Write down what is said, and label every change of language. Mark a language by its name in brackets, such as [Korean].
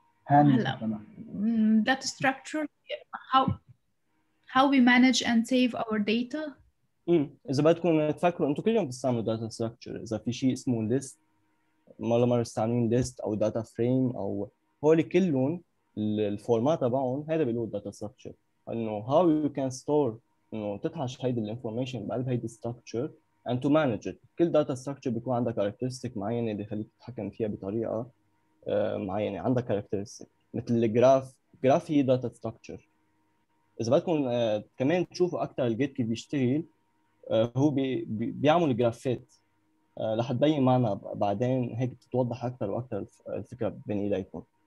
[English] Hello. That structure, how we manage and save our data. [Arabic] إذا بدكم تفكروا أنتوا كل يوم بتستعملوا data structure. إذا في شيء اسمه list, مالا مرة استعملين list أو data frame أو هول كلهم الفورمات تبعهم هذا بيقولوا data structure. [English] إنه how you can store إنه [Arabic] تتحش هيدا ال [English] information [Arabic] بقلب هيدا [English] structure and to manage it. [Arabic] كل data structure بيكون عندها characteristic معينة اللي خليك تتحكم فيها بطريقة معينة عندها characteristic مثل الجراف. جراف هي data structure. إذا بدكم كمان تشوفوا أكثر الجيت كيف بيشتغل, هو بيعمل جرافات رح تبين معنا بعدين, هيك بتتوضح أكثر وأكثر الفكرة بين إيديكم.